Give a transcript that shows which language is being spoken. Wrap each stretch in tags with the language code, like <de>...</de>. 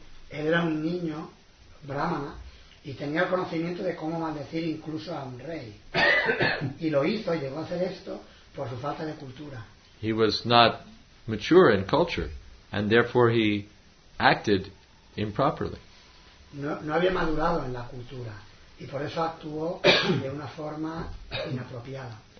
<es>él era un niño brahmana y tenía el conocimiento de cómo maldecir incluso a un rey. Y lo hizo y llegó a hacer esto por su falta de cultura.</es> <en>He was not mature in culture, and therefore he acted improperly.</en> <es>No había madurado en la cultura, y por eso actuó de una forma inapropiada.</es>